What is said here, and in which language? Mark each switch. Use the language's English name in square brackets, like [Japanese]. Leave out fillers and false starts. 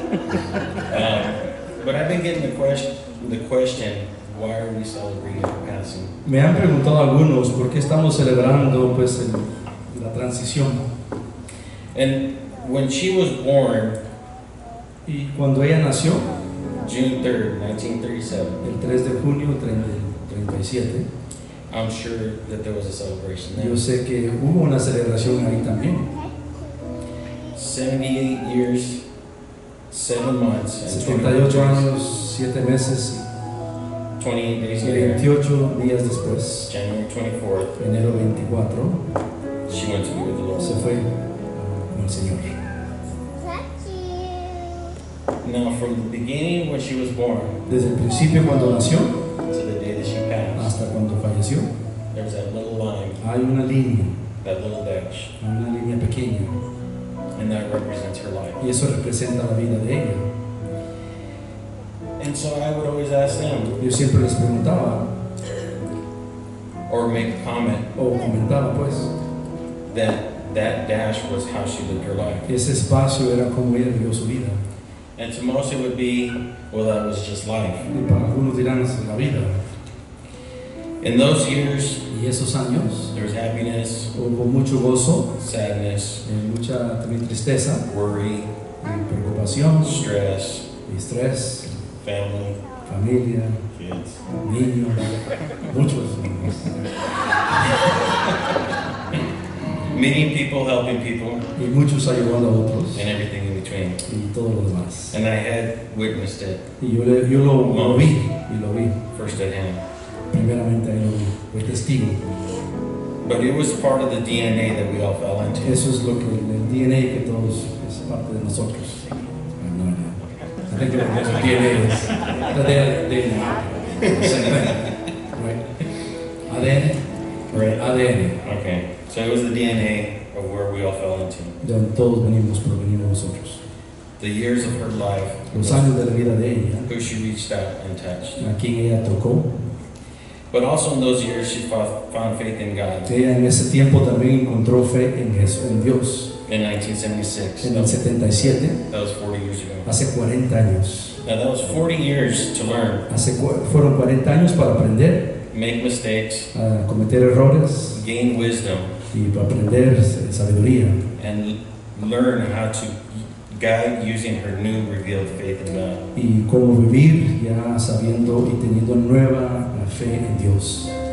[English] But I've been getting the question, why are we celebrating her passing? [Spanish] Me han preguntado algunos por qué estamos celebrando pues la transición. [English] And when she was born, [Spanish] y cuando ella nació, [English] June 3rd, 1937, [Spanish] el 3 de junio 37, [English] I'm sure that there was a celebration there. [Spanish] Yo sé que hubo una celebración ahí también. [English] 78 years, 7 months, [Spanish] 78 años, 7 meses, [English] 28 days later, [Spanish] 28 días después, [English] January 24th, [Spanish] enero 24, [English] she went to be with the Lord. [Spanish] Se fue con el Señor. [English] Thank you. Now from the beginning when she was born, [Spanish] desde el principio cuando nació, [English] to the day that she passed, [Spanish] hasta cuando falleció, [English] there's that little line, [Spanish] hay una línea, [English] that little dash, [Spanish] una línea pequeña, [English] and that represents her life. [Spanish] Y eso representa la vida de ella. [English] And so I would always ask them, [Spanish] yo siempre les preguntaba, [English] or make a comment, [Spanish] o comentaba pues, [English] that dash was how she lived her life. [Spanish] Ese espacio era como ella vivió su vida. [English] And to most it would be, well, that was just life. [Spanish] Y para algunos dirán, es la vida. [English] In those years, [Spanish] y esos años, [English] there was happiness, [Spanish] hubo mucho gozo, [English] sadness, [Spanish] y mucha también tristeza, [English] worry, [Spanish] y preocupación, [English] stress, [Spanish] y estrés, [English] family, [Spanish] familia, [English] kids, [Spanish] niños, muchos niños. [English] Many people helping people, [Spanish] y muchos ayudando a otros, [English] and everything in between, [Spanish] y todo lo demás. [English] And I had witnessed it. [Spanish] Y yo lo vi. [English] First at hand. [Spanish] Primeramente ahí lo vi, fue testigo. [English] But it was part of the DNA that we all fell into. [Spanish] Eso es lo que el DNA que todos es parte de nosotros. No, no. ADN. [English] Okay. So it was the DNA of where we all fell into. [Spanish] Donde todos venimos, provenimos nosotros. [English] The years of her life. [Spanish] Los años de la vida de ella. [English] Who she reached out and touched. [Spanish] A quien ella tocó. [English] But also in those years she found faith in God. [Spanish] Ella en ese tiempo también encontró fe en Jesús, en Dios. [English] In 1976. [Spanish] En el 77. [English] That was 40 years ago. [Spanish] Hace 40 años. [English] Now that was 40 years to learn. [Spanish] Fueron 40 años para aprender. [English] Make mistakes. [Spanish] Cometer errores. [English] Gain wisdom. [Spanish] Y para aprender sabiduría. [English] And learn how to guide using her new revealed faith in God. [Spanish] Y cómo vivir ya sabiendo y teniendo nueva fe en Dios.